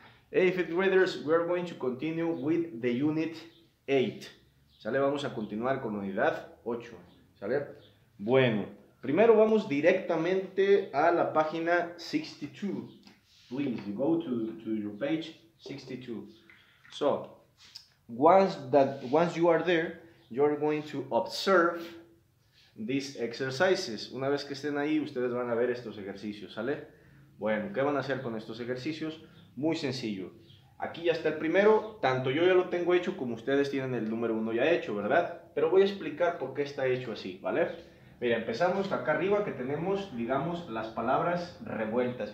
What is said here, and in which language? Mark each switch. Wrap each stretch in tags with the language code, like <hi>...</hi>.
<en>Hey, fifth graders, we are going to continue with the unit 8.</en> <es>¿Sale? Vamos a continuar con unidad 8. ¿Sale? Bueno, primero vamos directamente a la página 62.</es> <en>Please, go to your page 62. So, once you are there, you are going to observe these exercises.</en> <es>Una vez que estén ahí, ustedes van a ver estos ejercicios, ¿sale? Bueno, ¿qué van a hacer con estos ejercicios? Muy sencillo. Aquí ya está el primero. Tanto yo ya lo tengo hecho como ustedes tienen el número uno ya hecho, ¿verdad? Pero voy a explicar por qué está hecho así, ¿vale? Mira, empezamos acá arriba que tenemos, digamos, las palabras revueltas.</es>